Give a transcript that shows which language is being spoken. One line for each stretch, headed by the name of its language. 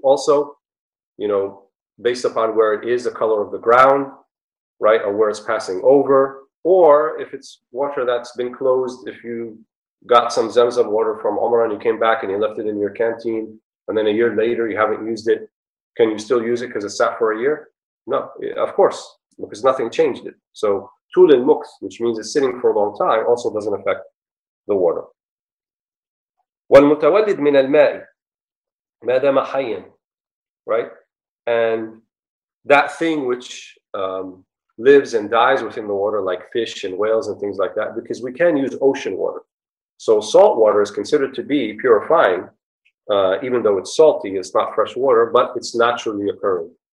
English: Also, you know, based upon where it is, the color of the ground, right, or where it's passing over, or if it's water that's been closed, if you got some Zamzam water from Umrah and you came back and you left it in your canteen, and then a year later you haven't used it, can you still use it because it sat for a year? No, of course, because nothing changed it. So tul in muks, which means it's sitting for a long time, also doesn't affect the water.
Arabic: والمتولد من الماء ما دام حيا,
English: right? And that thing which lives and dies within the water, like fish and whales and things like that, because we can use ocean water. So salt water is considered to be purifying, even though it's salty, it's not fresh water, but it's naturally occurring.